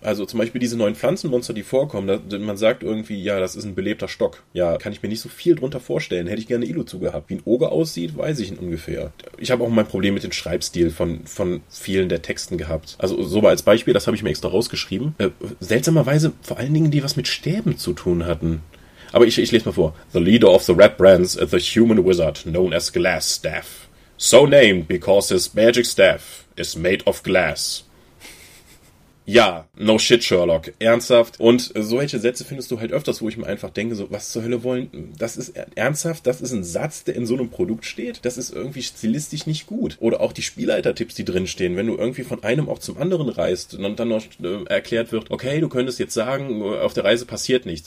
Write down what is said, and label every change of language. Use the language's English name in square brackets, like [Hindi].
[German] Also zum Beispiel diese neuen Pflanzenmonster, die vorkommen, man sagt irgendwie, ja, das ist ein belebter Stock. Ja, kann ich mir nicht so viel drunter vorstellen, hätte ich gerne Illu zugehabt. Wie ein Oger aussieht, weiß ich in ungefähr. Ich habe auch mein Problem mit dem Schreibstil von vielen der Texten gehabt. Also so mal als Beispiel, das habe ich mir extra rausgeschrieben. Seltsamerweise vor allen Dingen die was mit Stäben zu tun hatten. Aber ich lese mal vor. [English] The leader of the Red Brands is the human wizard known as Glass Staff. So named because his magic staff is made of glass. [German] Ja, [English] no shit, Sherlock. [German] Ernsthaft. Und solche Sätze findest du halt öfters, wo ich mir einfach denke, so, was zur Hölle wollen? Das ist ernsthaft? Das ist ein Satz, der in so einem Produkt steht? Das ist irgendwie stilistisch nicht gut. Oder auch die Spielleitertipps, die drinstehen, wenn du irgendwie von einem auch zum anderen reist und dann noch erklärt wird, okay, du könntest jetzt sagen, auf der Reise passiert nichts.